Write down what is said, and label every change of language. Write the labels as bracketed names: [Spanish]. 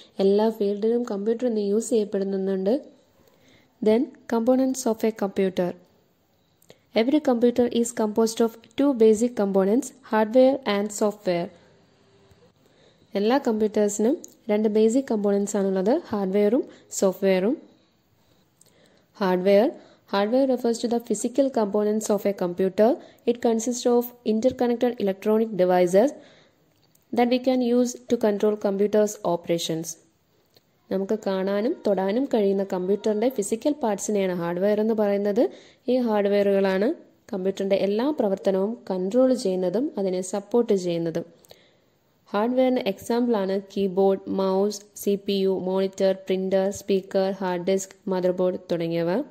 [Malayalam] എല്ലാ ഫീൽഡിലും കമ്പ്യൂട്ടർ ഇന്ന് യൂസ് ചെയ്യപ്പെടുന്നുണ്ട്. [English] Then components of a computer. Every computer is composed of 2 basic components, hardware and software. [Malayalam] എല്ലാ കമ്പ്യൂട്ടേഴ്സിനും 2 basic components ആണുള്ളത്, ഹാർഡ്വെയറും സോഫ്റ്റ്വെയറും. [English] Hardware. Hardware refers to the physical components of a computer. It consists of interconnected electronic devices that we can use to control computer's operations. [Malayalam] നമുക്ക് കാണാനും തൊടാനും കഴിയുന്ന കമ്പ്യൂട്ടറിൻ്റെ physical പാർട്സിനെയാണ് hardware എന്ന് പറയുന്നത്. ഈ ഹാർഡ്വെയറുകളാണ് കമ്പ്യൂട്ടറിൻ്റെ എല്ലാ പ്രവർത്തനവും കൺട്രോൾ ചെയ്യുന്നതും അതിനെ സപ്പോർട്ട് ചെയ്യുന്നതും. ഹാർഡ്വെയറിൻ്റെ എക്സാമ്പിളാണ് keyboard, mouse, CPU, monitor, printer, speaker, hard disk, motherboard തുടങ്ങിയവ.